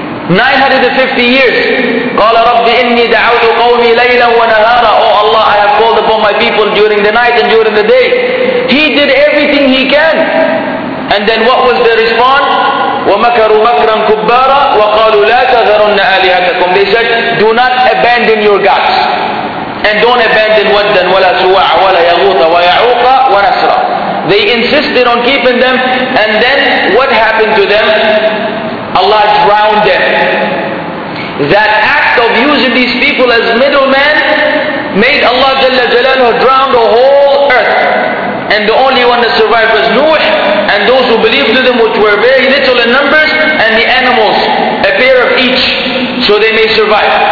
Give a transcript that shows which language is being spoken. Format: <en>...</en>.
<ar>950 years. قَالَ رَبِّ إِنِّي دَعَوْتُ قَوْمِي لَيْلًا وَنَهَارًا.</ar> <en>Oh Allah, I have called upon my people during the night and during the day. He did everything he can. And then what was the response?</en> <ar>وَمَكَرُوا مَكْرًا كُبَّارًا وَقَالُوا لَا تَذَرُنَّ آلِهَتَكُمْ.</ar> <en>They said, do not abandon your gods.</en> <ar>And don't abandon Waddan, وَلَا سُوَعَ وَلَا يَغُوثَ وَيَعُوقَ وَنَسْرًا.</ar> <en>They insisted on keeping them, and then what happened to them? Allah drowned them. That act of using these people as middlemen made Allah Jalla Jalaluhu drown the whole earth. And the only one that survived was Nuh, and those who believed in them, which were very little in numbers, and the animals, a pair of each, so they may survive.</en>